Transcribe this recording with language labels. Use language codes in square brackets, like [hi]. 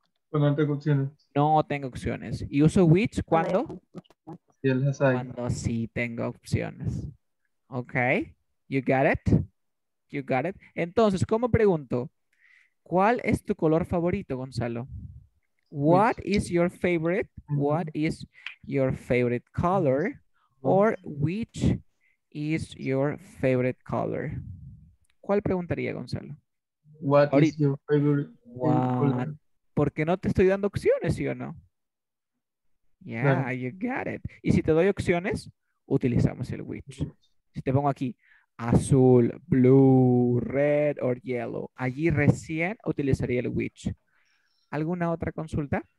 [es] Cuando no tengo opciones. No tengo opciones. ¿Y uso which cuando? Cuando sí tengo opciones. [en] Ok. You got it. [es] Entonces, ¿cómo pregunto? ¿Cuál es tu color favorito, Gonzalo? [en] What is your favorite? What is your favorite color? Or which is your favorite color? [es] ¿Cuál preguntaría, Gonzalo? [en] What is your favorite color? [es] Porque no te estoy dando opciones, ¿sí o no? Yeah, claro. [en] You got it. [es] Y si te doy opciones, utilizamos el which. Si te pongo aquí, azul, [en] blue, red or yellow. [es] Allí recién utilizaría el which. ¿Alguna otra consulta?